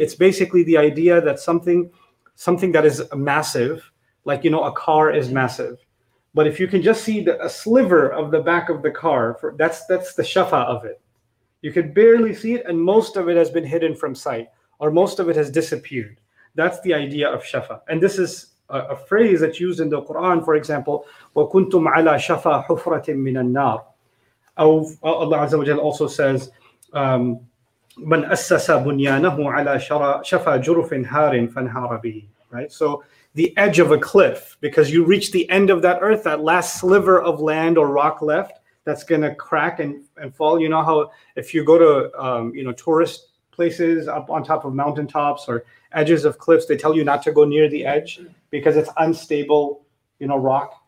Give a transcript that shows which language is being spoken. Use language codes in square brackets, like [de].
[en] It's basically the idea that something that is massive, like, you know, a car is massive, but if you can just see a sliver of the back of the car, that's the shafa of it. You can barely see it, and most of it has been hidden from sight, or most of it has disappeared. That's the idea of shafa. And this is a phrase that's used in the Quran, for example, [ar] وَكُنْتُمْ عَلَى شَفَى حُفْرَةٍ مِّنَ النَّارِ. [en] Allah Azza wa Jal also says, [ar] مَنْ أَسَّسَ بُنْيَانَهُ عَلَى شَفَى جُرُفٍ هَارٍ فَانْهَارَ بِهِ. [en] Right? So the edge of a cliff, because you reach the end of that earth, that last sliver of land or rock left, that's going to crack and fall. You know how if you go to tourist places up on top of mountaintops or edges of cliffs, they tell you not to go near the edge because it's unstable, you know, rock.